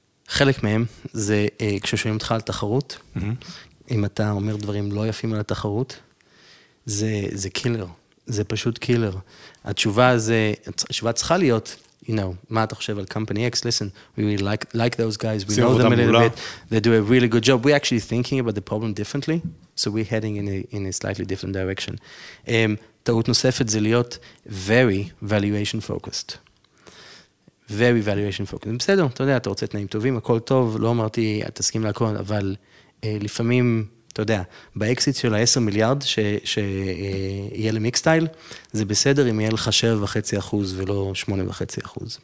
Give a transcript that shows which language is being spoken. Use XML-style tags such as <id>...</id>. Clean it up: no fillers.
<he>חלק מהם זה כששואלים אותך על תחרות, אם אתה אומר דברים לא יפים על התחרות, זה קילר, זה פשוט קילר. התשובה צריכה להיות, you know, מה אתה חושב על company X?</he> <en>Listen, we really like those guys, we know them a little bit, they do a really good job, we're actually thinking about the problem differently, so we're heading in a slightly different direction.</en> <he>טעות נוספת זה להיות</he> <en>very valuation focused. Very valuation focused.</en> <he>בסדר, אתה יודע, אתה רוצה תנאים טובים, הכל טוב, לא אמרתי, תסכים להכל, אבל לפעמים, אתה יודע, באקסיט של ה-10 מיליארד שיהיה למיקסטייל, זה בסדר אם יהיה לך 7.5% ולא 8.5%.</he>